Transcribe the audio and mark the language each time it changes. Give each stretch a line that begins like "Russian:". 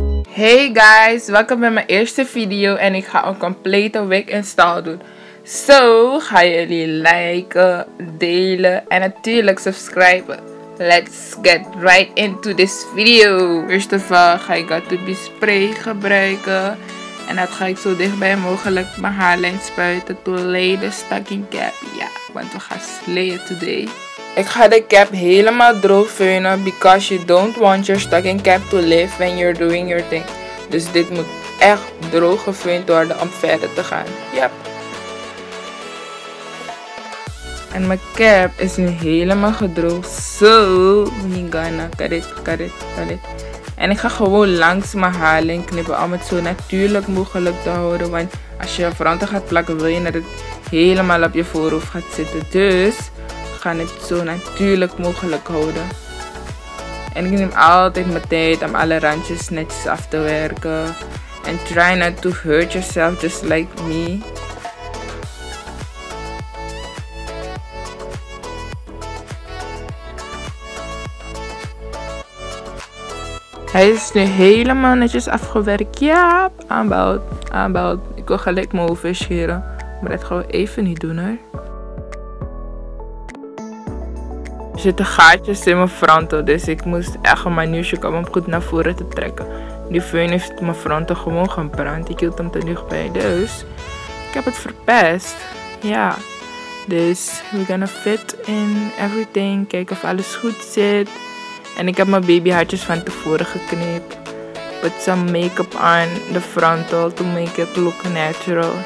Dutch: Hey guys, welkom bij mijn eerste video en ik ga een complete wig install doen. Zo, ga jullie liken, delen en natuurlijk subscriben.
English: Let's get right into this video.
Dutch: Eerst of all ga ik een tube spray gebruiken. En dat ga ik zo dichtbij mogelijk mijn haarlijn spuiten.
English: To lay the stocking cap.
Dutch: Ja, want we gaan slayen today. Ik ga de cap helemaal droog feunen,
English: because you don't want your stocking cap to live when you're doing your thing.
Dutch: Dus dit moet echt droog gefeund worden om verder te gaan. Yep. En mijn cap is nu helemaal gedroogd.
English: So, we gonna cut it.
Dutch: En ik ga gewoon langs mijn haarlijn knippen om het zo natuurlijk mogelijk te houden. Want als je fronten gaat plakken, wil je dat het helemaal op je voorhoofd gaat zitten. Dus ik ga het zo natuurlijk mogelijk houden. En ik neem altijd mijn tijd om alle randjes netjes af te werken.
English: And try not to hurt yourself just like me.
Dutch: Hij is nu helemaal netjes afgewerkt. Ja, aanbouwd. Ik wil gelijk mijn hoofd scheren. Maar dat gaan we even niet doen hoor. Er zitten gaatjes in mijn fronten, dus ik moest echt een manuusje komen om goed naar voren te trekken. Die föhn heeft mijn fronten gewoon gebrand. Ik hield hem te dicht bij, dus ik heb het verpest. Ja, dus we gaan
English: fit in everything,
Dutch: kijken of alles goed zit. En ik heb mijn babyhaartjes van tevoren geknipt.
English: Put some make-up on the frontal to make it look natural.